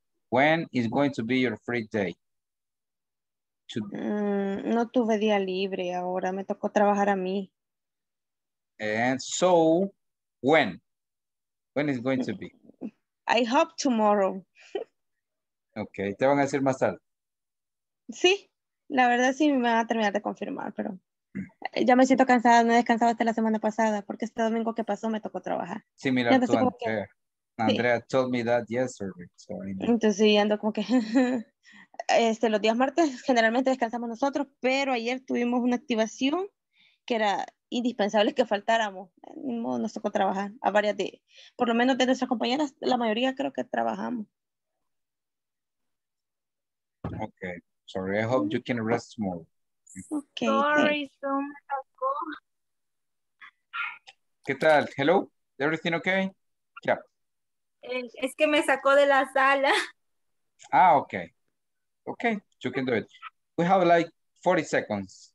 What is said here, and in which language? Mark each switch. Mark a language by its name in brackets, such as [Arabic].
[English] When is going to be your free day? [Spanish] No tuve día libre ahora, me tocó trabajar a mí. [English] And so, when? When is going to be? I hope tomorrow. [Spanish] Okay, te van a decir más tarde. Sí, la verdad sí me van a terminar de confirmar, pero ya me siento cansada, no he descansado hasta la semana pasada porque este domingo que pasó me tocó trabajar. [English] Similar to Andrea. [Spanish] Que, Andrea sí. [English] Told me that yesterday. So [Spanish] entonces sí, ando como que los días martes generalmente descansamos nosotros, pero ayer tuvimos una activación que era indispensable que faltáramos. Ni modo, nos tocó trabajar a varias de, por lo menos de nuestras compañeras, la mayoría creo que trabajamos. [English] Ok, sorry, I hope you can rest more. Okay. Sorry, [Spanish] ¿qué tal? [English] Hello, everything okay? Yeah. [Spanish] Es que me sacó de la sala. [English] Ah, okay. Okay, you can do it. We have like 40 seconds.